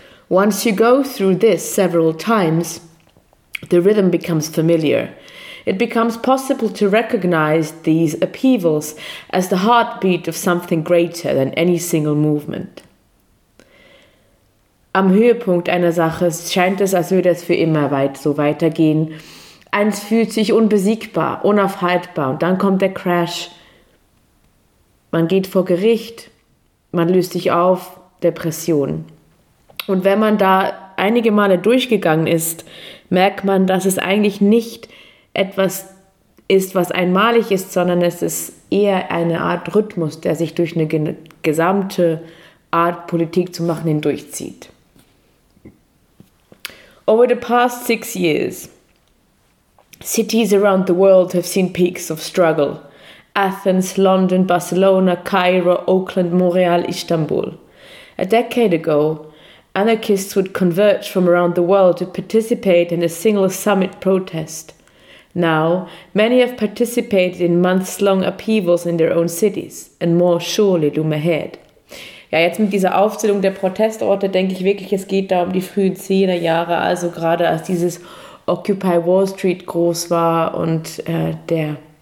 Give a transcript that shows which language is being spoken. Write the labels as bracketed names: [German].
[English] Once you go through this several times, the rhythm becomes familiar. It becomes possible to recognize these upheavals as the heartbeat of something greater than any single movement. [German] Am Höhepunkt einer Sache scheint es, als würde es für immer weit so weitergehen. Eins fühlt sich unbesiegbar, unaufhaltbar, und dann kommt der Crash. Man geht vor Gericht, man löst sich auf, Depression. Und wenn man da einige Male durchgegangen ist, merkt man, dass es eigentlich nicht etwas ist, was einmalig ist, sondern es ist eher eine Art Rhythmus, der sich durch eine gesamte Art, Politik zu machen, hindurchzieht. [English] Over the past 6 years, cities around the world have seen peaks of struggle. Athens, London, Barcelona, Cairo, Oakland, Montreal, Istanbul. A decade ago, anarchists would converge from around the world to participate in a single summit protest. Now, many have participated in months-long upheavals in their own cities, and more surely loom ahead. [German] Ja, jetzt mit dieser Aufzählung der Protestorte denke ich wirklich, es geht da um die frühen 10er Jahre, also gerade als dieses Occupy Wall Street groß war und der